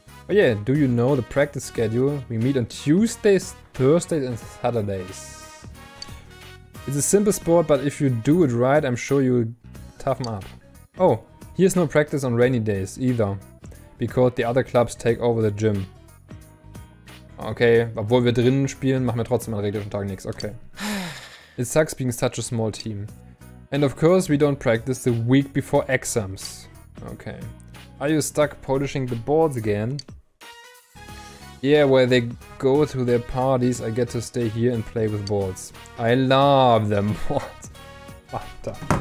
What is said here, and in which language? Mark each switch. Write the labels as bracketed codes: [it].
[en] Oh yeah, do you know the practice schedule? We meet on Tuesdays, Thursdays and Saturdays. It's a simple sport, but if you do it right, I'm sure you'll toughen up. Oh, here's no practice on rainy days either, because the other clubs take over the gym. [de] Okay, obwohl wir drinnen spielen, machen wir trotzdem an regelmäßigen Tagen nichts. [en] Okay. It sucks being such a small team. And of course we don't practice the week before exams. Okay. Are you stuck polishing the boards again? Yeah, where they go to their parties, I get to stay here and play with boards. I love them boards. Alter.